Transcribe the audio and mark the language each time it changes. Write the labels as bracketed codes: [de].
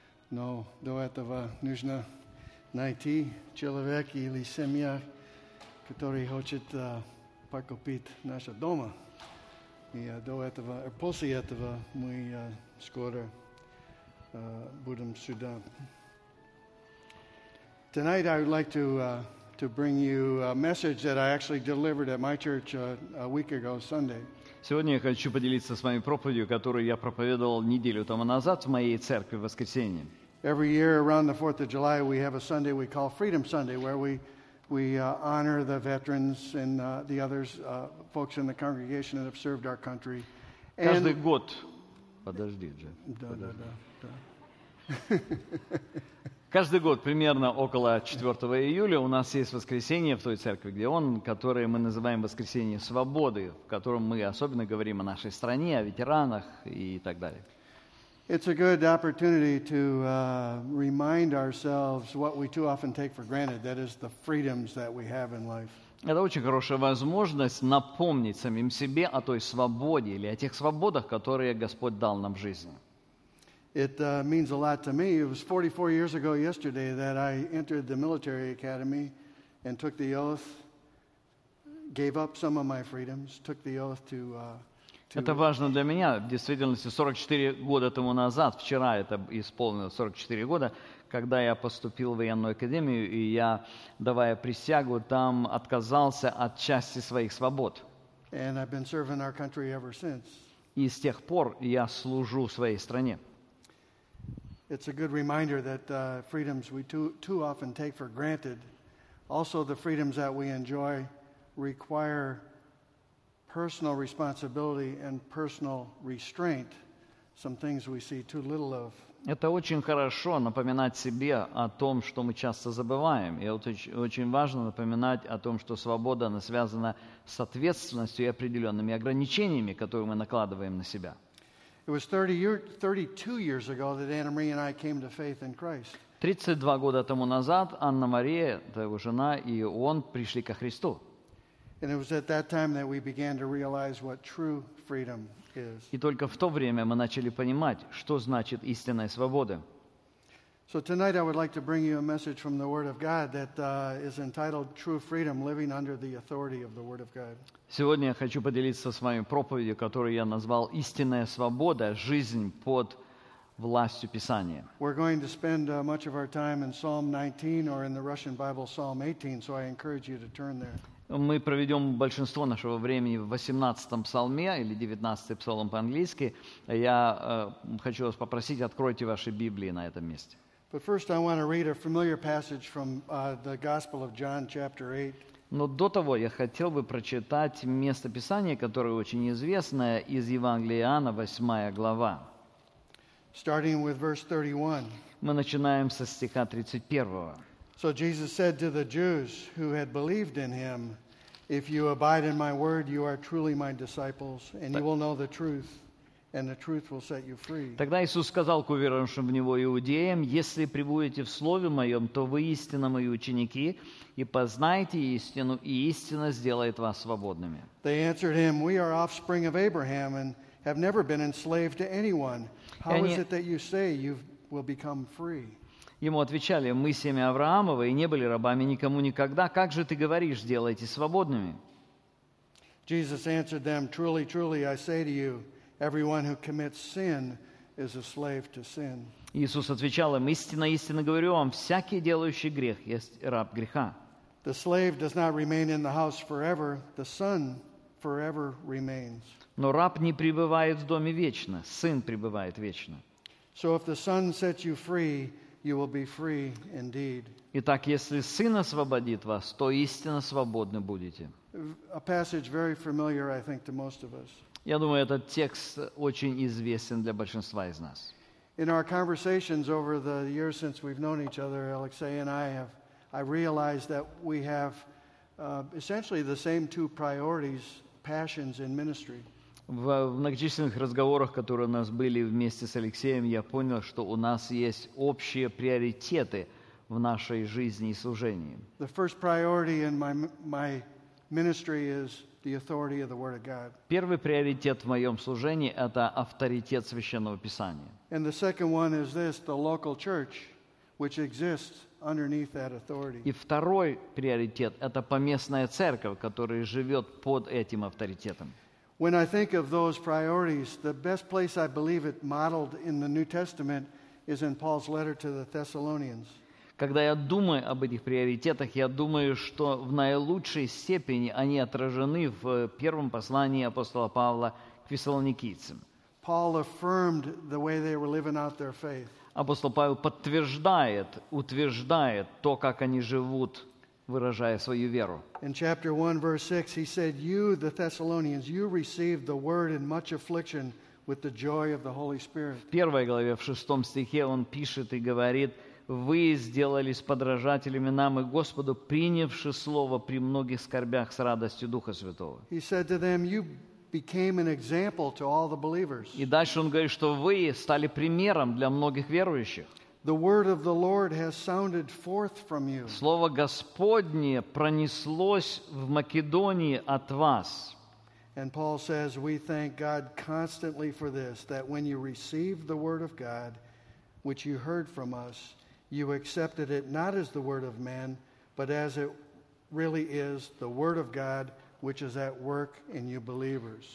[ru] Но до этого нужно найти человека или семья, который хочет покупить наше дома. И до этого, после этого мы скоро будем сюда. [en] Tonight I would like to bring you a message that I actually delivered at my church a week ago Sunday. [ru] Сегодня я хочу поделиться с вами проповедью, которую я проповедовал неделю тому назад в моей церкви в воскресенье. [en] Every year around the 4th of July, we have a Sunday we call Freedom Sunday, where we honor the veterans and the others, folks in the congregation that have served our country. [ru] And каждый год. Подожди, Джей. Да. Каждый год, примерно около 4 июля, у нас есть воскресенье в той церкви, где он, которое мы называем Воскресенье Свободы, в котором мы особенно говорим о нашей стране, о ветеранах и так далее. [en] It's a good opportunity to remind ourselves what we too often take for granted, that is the freedoms that we have in life. [ru] Это очень хорошая возможность напомнить самим себе о той свободе или о тех свободах, которые Господь дал нам в жизни. [en] It means a lot to me. It was 44 years ago yesterday that I entered the military academy and took the oath, gave up some of my freedoms, took the oath to... [ru] Это важно для меня, в действительности, 44 года тому назад, вчера это исполнилось, 44 года, когда я поступил в военную академию, и я, давая присягу, там отказался от части своих свобод. [en] And I've been serving our country ever since. [ru] И с тех пор я служу своей стране. [en] It's a good reminder that freedoms we too often take for granted, also the freedoms that we enjoy require personal responsibility and personal restraint, some things we see too little of. [ru] Это очень хорошо напоминать себе о том, что мы часто забываем. И вот очень важно напоминать о том, что свобода, она связана с ответственностью и определенными ограничениями, которые мы накладываем на себя. [en] It was 32 years ago that Anna Marie and I came to faith in Christ. [ru] 32 года тому назад Анна Мария, это его жена, и он пришли ко Христу. [en] And it was at that time that we began to realize what true freedom is. [ru] И только в то время мы начали понимать, что значит истинная свобода. [en] So tonight I would like to bring you a message from the Word of God that is entitled "True Freedom: Living Under the Authority of the Word of God." [ru] Сегодня я хочу поделиться с вами проповедью, которую я назвал "Истинная свобода: Жизнь под властью Писания." [en] We're going to spend much of our time in Psalm 19 or in the Russian Bible Psalm 18, so I encourage you to turn there. [ru] Мы проведем большинство нашего времени в 18-м псалме или 19-й псалом по-английски. Я хочу вас попросить, откройте ваши Библии на этом месте. [en] But first I want to read a familiar passage from the Gospel of John, chapter 8. [ru] Но до того я хотел бы прочитать место Писания, которое очень известное, из Евангелия Иоанна, 8 глава. [en] Starting with verse 31. [ru] Мы начинаем со стиха 31-го. [en] So Jesus said to the Jews who had believed in him, "If you abide in my word, you are truly my disciples, and you will know the truth, and the truth will set you free." [ru] Тогда Иисус сказал к уверовавшим в него иудеям: "Если пребудете в слове моем, то вы истинно мои ученики, и познаете истину, и истина сделает вас свободными." [en] They answered him, "We are offspring of Abraham and have never been enslaved to anyone. How is it that you say you will become free?" [ru] Ему отвечали: «Мы семя Авраамова и не были рабами никому никогда. Как же ты говоришь, делайте свободными?» [en] Jesus answered them, "Truly, truly, I say to you, everyone who commits sin is a slave to sin." [ru] Иисус отвечал им: «Истинно, истинно говорю вам, всякий, делающий грех, есть раб греха». [en] The slave does not remain in the house forever, the son forever remains. [ru] Но раб не пребывает в доме вечно, сын пребывает вечно. [en] So if the son sets you free, you will be free indeed. [ru] Итак, если Сын освободит вас, то истинно свободны будете. [en] A passage very familiar, I think, to most of us. [ru] Я думаю, этот текст очень известен для большинства из нас. [en] In our conversations over the years since we've known each other, Alexei and I have, I realized that we have essentially the same two priorities, passions in ministry. [ru] В многочисленных разговорах, которые у нас были вместе с Алексеем, я понял, что у нас есть общие приоритеты в нашей жизни и служении. [en] The first priority in my ministry is the authority of the Word of God. [ru] Первый приоритет в моем служении – это авторитет Священного Писания. [en] And the second one is this, the local church, which exists underneath that authority. [ru] И второй приоритет – это поместная церковь, которая живет под этим авторитетом. [en] When I think of those priorities, the best place I believe it modeled in the New Testament is in Paul's letter to the Thessalonians. [ru] Когда я думаю об этих приоритетах, я думаю, что в наилучшей степени они отражены в первом послании апостола Павла к Фессалоникийцам. [en] Paul affirmed the way they were living out their faith. [ru] Апостол Павел подтверждает, утверждает то, как они живут, выражая свою веру. [en] In chapter 1, verse 6, he said, "You, the Thessalonians, you received the word in much affliction with the joy of the Holy Spirit." [ru] В первой главе, в шестом стихе, он пишет и говорит: «Вы сделались подражателями нам и Господу, принявши Слово при многих скорбях с радостью Духа Святого». [en] He said to them, "You became an example to all the believers." [ru] И дальше он говорит, что вы стали примером для многих верующих. [en] The word of the Lord has sounded forth from you. [ru] Слово Господне пронеслось в Македонии от вас. [en] And Paul says, "We thank God constantly for this, that when you received the word of God, which you heard from us, you accepted it not as the word of man, but as it really is, the word of God, which is at work in you believers."